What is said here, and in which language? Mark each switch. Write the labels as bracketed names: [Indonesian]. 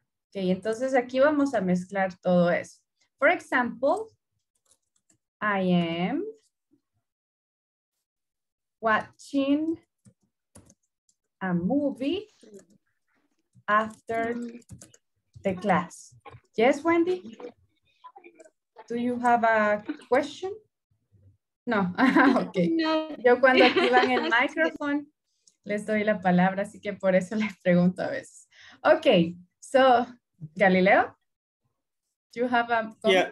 [Spanish] Okay, entonces aquí vamos a mezclar todo eso. [English] For example, I am watching a movie after the class. Yes, Wendy? Do you have a question? No, ok. No. [Spanish] Yo cuando activan el micrófono les doy la palabra, así que por eso les pregunto a veces. [English] Ok, so, Galileo, do you have a comment?